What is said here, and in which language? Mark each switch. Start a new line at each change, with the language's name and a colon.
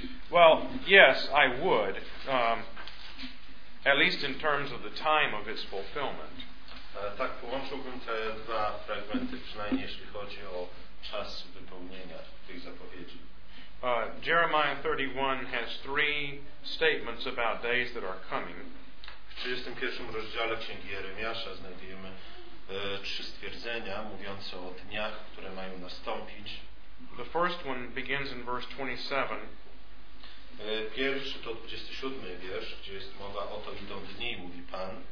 English: Well, yes, I would, at least in terms of the time of its fulfillment.
Polish: Tak, połączyłbym te dwa fragmenty, przynajmniej jeśli chodzi o czas wypełnienia tych zapowiedzi.
English: Jeremiah 31 has three statements about days that are coming.
Polish: W 31 rozdziale Księgi Jeremiasza znajdujemy trzy stwierdzenia mówiące o dniach, które mają nastąpić.
English: The first one begins in verse 27.
Polish: Pierwszy to 27 wiersz, gdzie jest mowa o to, idą dni, mówi Pan.